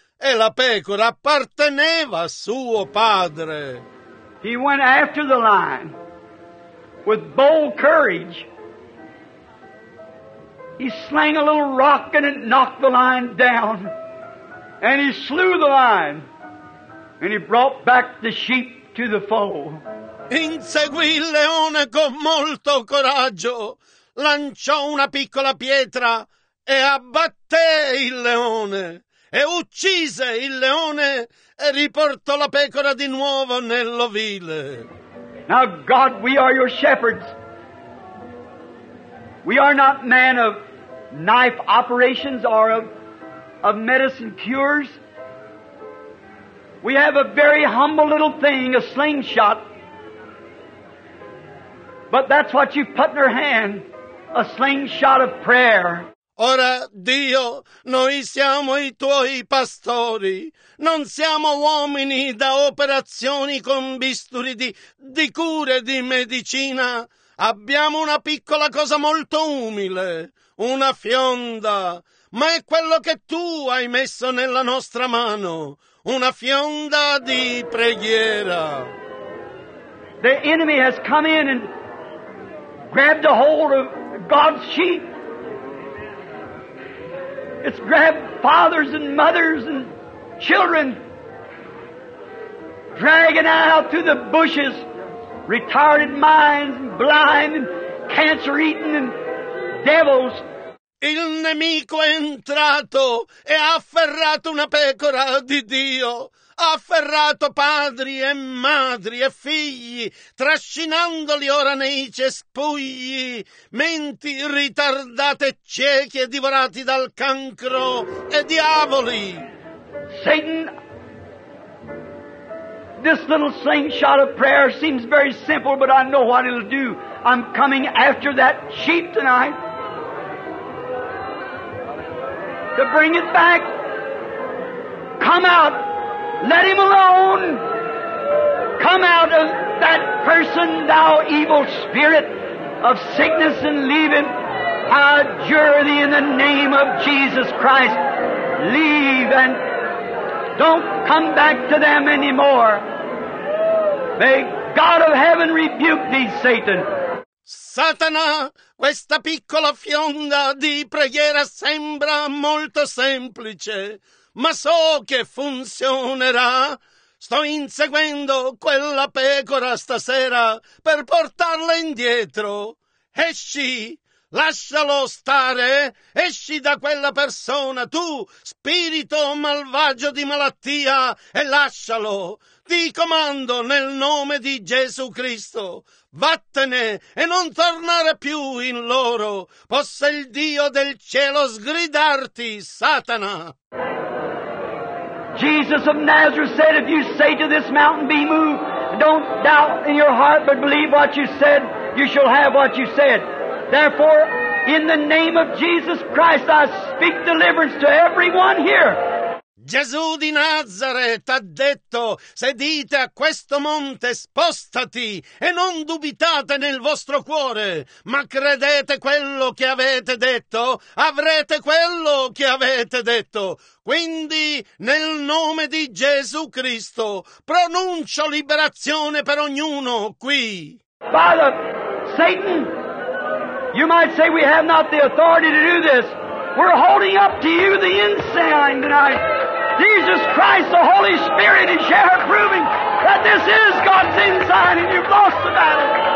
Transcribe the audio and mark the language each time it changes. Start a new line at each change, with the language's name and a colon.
Italian: E la pecora apparteneva a suo padre.
English: He went after the lion with bold courage. He slung a little rock and it knocked the lion down. And he slew the lion. And he brought back the sheep to the fold.
Italian: Inseguì il leone con molto coraggio. Lanciò una piccola pietra e abbatté il leone. E uccise il leone e riportò la pecora di nuovo nell'ovile.
English: Now God, we are your shepherds. We are not men of knife operations or of medicine cures. We have a very humble little thing, a slingshot. But that's what you put in her hand, a slingshot of prayer.
Italian: Ora, Dio, noi siamo i tuoi pastori. Non siamo uomini da operazioni con bisturi di cure, di medicina. Abbiamo una piccola cosa molto umile, una fionda. Ma è quello che tu hai messo nella nostra mano, una fionda di preghiera.
English: The enemy has come in and grabbed a hold of God's sheep. It's grabbed fathers and mothers and children, dragging out to the bushes, retarded minds and blind and cancer-eating and devils.
Italian: Il nemico è entrato e ha afferrato una pecora di Dio. Ha afferrato padri e madri e figli, trascinandoli ora nei cespugli, menti ritardate e ciechi e divorati dal cancro e diavoli.
English: Satan, this little slingshot of prayer seems very simple, but I know what it'll do. I'm coming after that sheep tonight to bring it back. Come out. Let him alone. Come out of that person, thou evil spirit of sickness, and leave him. I adjure thee in the name of Jesus Christ. Leave and don't come back to them anymore. May God of heaven rebuke thee, Satan.
Italian: Satana, questa piccola fionda di preghiera sembra molto semplice. Ma so che funzionerà. Sto inseguendo quella pecora stasera per portarla indietro. Esci, lascialo stare, esci da quella persona, tu, spirito malvagio di malattia, e lascialo. Ti comando nel nome di Gesù Cristo. Vattene e non tornare più in loro. Possa il Dio del cielo sgridarti, Satana.
English: Jesus of Nazareth said, if you say to this mountain, be moved, don't doubt in your heart, but believe what you said, you shall have what you said. Therefore, in the name of Jesus Christ, I speak deliverance to everyone here.
Italian: Gesù di Nazareth ha detto, se dite a questo monte, spostati, e non dubitate nel vostro cuore, ma credete quello che avete detto, avrete quello che avete detto. Quindi, nel nome di Gesù Cristo, pronuncio liberazione per ognuno qui.
English: Father, Satan, you might say we have not the authority to do this. We're holding up to you the ensign tonight. Jesus Christ, the Holy Spirit, is here proving that this is God's ensign and you've lost the battle.